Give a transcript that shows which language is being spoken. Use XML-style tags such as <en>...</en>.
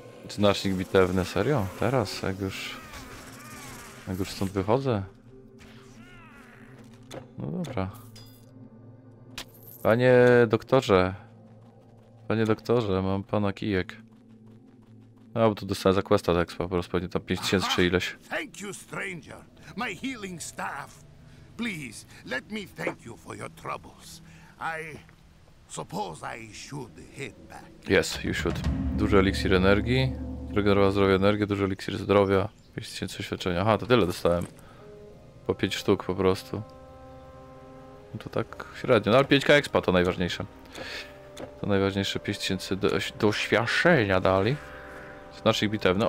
<pl>Znacznik bitewny, serio? Teraz, jak już stąd wychodzę? No dobra. Panie doktorze, mam pana kijek. No, bo tu dostałem za questa za expa, po prostu pewnie tam 5000 czy ileś.</pl> <en>Thank you, stranger. My healing staff. Please, let me thank you for your troubles. I suppose I should head back. Yes, you should.</en> <pl>Duży eliksir energii. Regenerowa zdrowie energii, duży eliksir zdrowia. 5000 doświadczenia. Aha, to tyle dostałem. Po 5 sztuk po prostu. No to tak średnio. No ale 5k expa to najważniejsze. To najważniejsze 5000 doświadczenia dali. Znacznik bitewny.</pl>